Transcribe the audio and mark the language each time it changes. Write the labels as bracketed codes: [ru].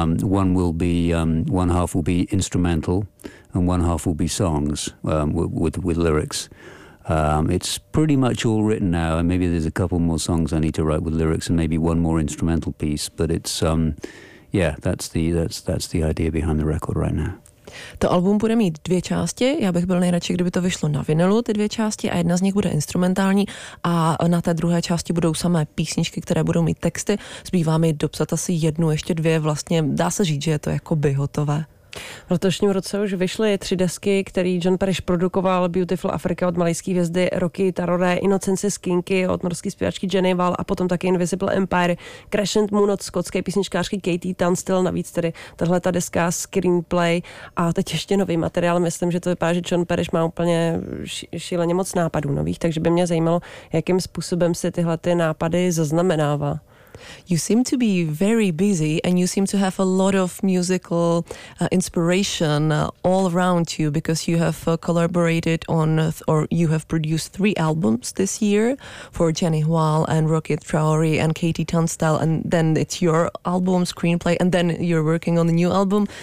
[en] One will be one half will be instrumental, and one half will be songs with lyrics. It's pretty much all written now, and maybe there's a couple more songs I need to write with lyrics, and maybe one more instrumental piece. But it's that's the idea behind the record right now. [cs] To album bude mít dvě části, já bych byl nejradši, kdyby to vyšlo na vinylu, ty dvě části, a jedna z nich bude instrumentální a na té druhé části budou samé písničky, které budou mít texty, zbývá mi dopsat asi jednu, ještě dvě, vlastně dá se říct, že je to jakoby hotové. V letošním roce už vyšly tři desky, které John Parrish produkoval, Beautiful Africa od malejské hvězdy, Rocky Tarore, Innocence Skinky od norské zpěvačky Jenny Val a potom taky Invisible Empire, Crescent Moon od skotské písničkářky Katie Tunstall, navíc tedy tahle ta deska Screenplay a teď ještě nový materiál. Myslím, že to vypadá, že John Parrish má úplně šíleně moc nápadů nových, takže by mě zajímalo, jakým způsobem si tyhle ty nápady zaznamenává. [en] You seem to be very busy and you seem to have a lot of musical inspiration all around you because you have collaborated on or you have produced three albums this year for Jenny Hual and Rocket Traoré and Katie Tunstall, and then it's your album Screenplay and then you're working on the new album.